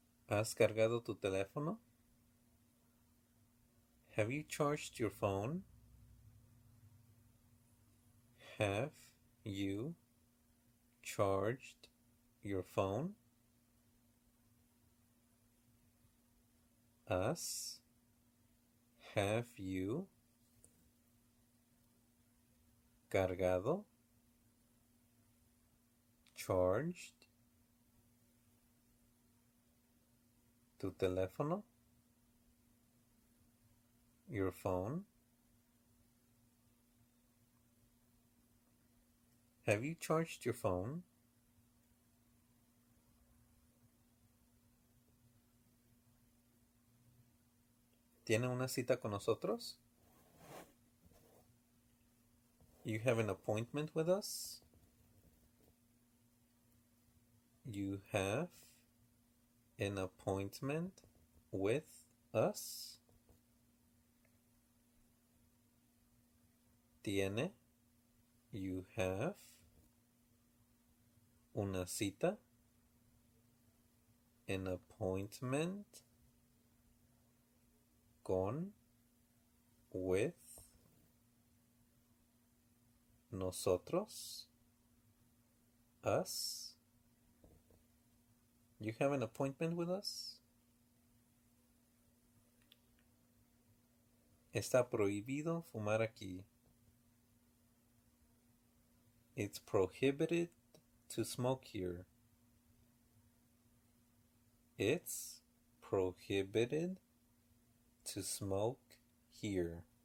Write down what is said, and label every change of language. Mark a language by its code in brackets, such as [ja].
[es] ¿Has cargado tu teléfono? [en] Have you charged your phone? Have you charged your phone? [es] ¿Has? [en] Have you [es] cargado? [en] Charged? [es] Tu teléfono, [en] your phone. Have you charged your phone? [es] ¿Tiene una cita con nosotros? [en] You have an appointment with us? You have an appointment with us. [es] Tiene. [en] You have. [es] Una cita. [en] An appointment. [es] Con. [en] With. [es] Nosotros. [en] Us. You have an appointment with us? [es] Está prohibido fumar aquí. [en] It's prohibited to smoke here. It's prohibited to smoke here.